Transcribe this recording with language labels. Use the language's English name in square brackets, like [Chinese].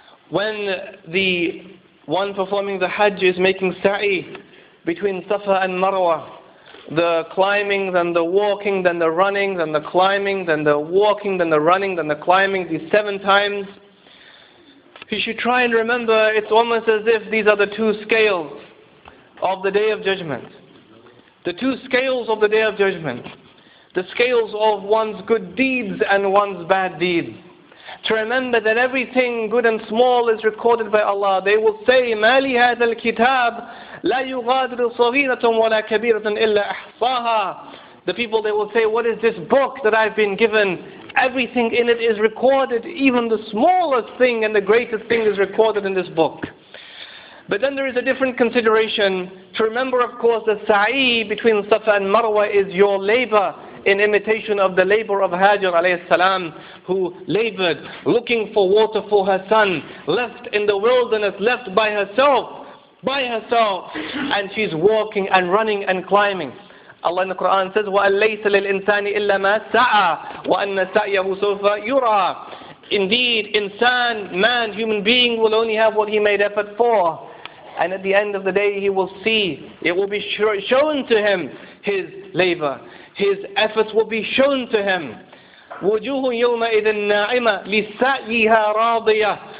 [English] When the one performing the Hajj is making sa'i between Safa and Marwa, the climbing, then the walking, then the running, then the climbing, then the walking, then the running, then the climbing, these 7 times, he should try and remember, it's almost as if these are the 2 scales of the Day of Judgment. The 2 scales of the Day of Judgment. The scales of one's good deeds and one's bad deeds. To remember that everything good and small is recorded by Allah. They will say, [Arabic] مَا لِهَذَا الْكِتَابِ لَا يُغَادِرُ صَغِيرَةٌ وَلَا كَبِيرَةٌ إِلَّا أَحْصَاهَا. [English] The people, they will say, what is this book that I've been given? Everything in it is recorded. Even the smallest thing and the greatest thing is recorded in this book. But then there is a different consideration. To remember, of course, the sa'i between Safa and Marwa is your labor, in imitation of the labor of Hajar alayhi salam, who labored looking for water for her son, left in the wilderness, left by herself, and she's walking and running and climbing. Allah in the Quran says, [Arabic] وَأَلَّيْسَ لِلْإِنسَانِ إِلَّا مَا سَعَى وَأَنَّ سَعْيَهُ سَوْفَ يُرَى. [English] Indeed, insan, man, human being will only have what he made effort for. And at the end of the day, he will see, it will be shown to him, his labor. His efforts will be shown to him. [Arabic] وَجُوهُ يَوْمَئِذٍ نَاعِمَةٌ لِسَعْيِهَا رَاضِيَةٌ.